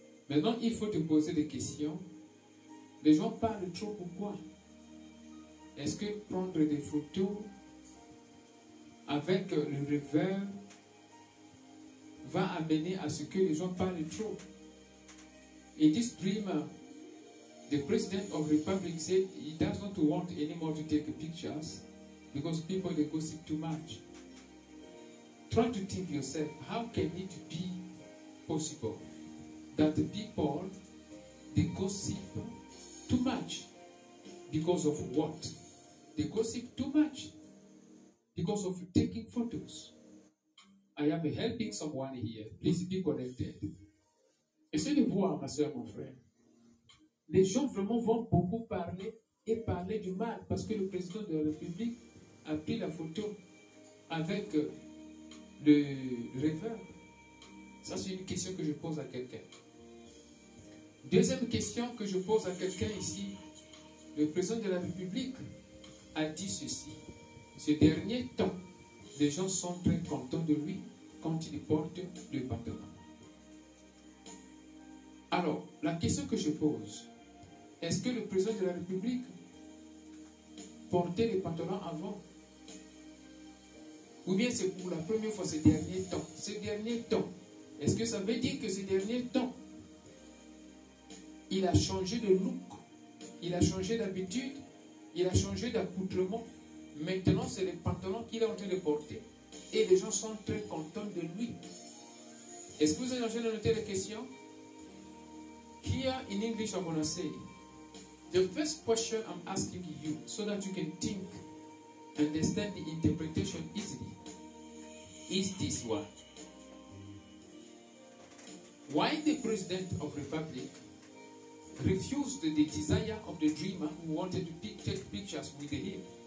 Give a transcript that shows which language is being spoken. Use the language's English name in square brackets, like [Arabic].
[French] Maintenant, il faut te poser des questions. Les gens parlent trop, pourquoi? Est-ce que prendre des photos avec le rêveur va amener à ce que les gens parlent trop? In this dream, the president of the republic said he does not want anymore to take pictures because people, they gossip too much. Try to think yourself, how can it be possible that the people, they gossip too much because of what? They gossip too much because of taking photos. I am helping someone here. Please be connected. Essayez de voir, ma soeur, mon frère. Les gens vraiment vont beaucoup parler et parler du mal parce que le président de la République a pris la photo avec le REVES. Ça, c'est une question que je pose à quelqu'un. Deuxième question que je pose à quelqu'un ici. Le président de la République a dit ceci. Ces derniers temps, les gens sont très contents de lui quand il porte le pantalon. Alors, la question que je pose, est-ce que le président de la République portait les pantalons avant? Ou bien c'est pour la première fois ces derniers temps? Ces derniers temps, est-ce que ça veut dire que ces derniers temps, il a changé de look, il a changé d'habitude, il a changé d'accoutrement? Maintenant, c'est les pantalons qu'il est en train de porter. Et les gens sont très contents de lui. Est-ce que vous êtes en train de noter la question? [English] Here in English, I'm going to say, the first question I'm asking you, so that you can think, understand the interpretation easily, is this one. Why the President of Republic refused the desire of the dreamer who wanted to take pictures with him?